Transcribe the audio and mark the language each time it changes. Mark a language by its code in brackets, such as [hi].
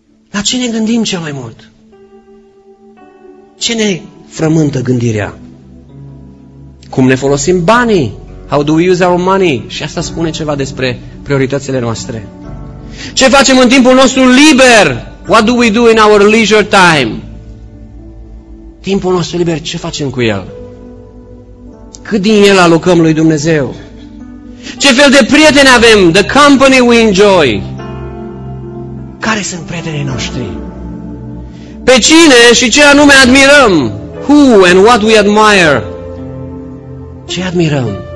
[ro] La ce ne gândim cel mai mult? Ce ne frământă gândirea? Cum ne folosim banii? [en] How do we use our money? [ro] Și asta spune ceva despre prioritățile noastre. Ce facem în timpul nostru liber? [en] What do we do in our leisure time? [ro] Timpul nostru liber, ce facem cu el? Cât din el alocăm lui Dumnezeu? Ce fel de prieteni avem? [en] The company we enjoy. [ro] Care sunt prietenii noștri? Pe cine și ce anume admirăm? [en] Who and what we admire? [ro] Ce admirăm?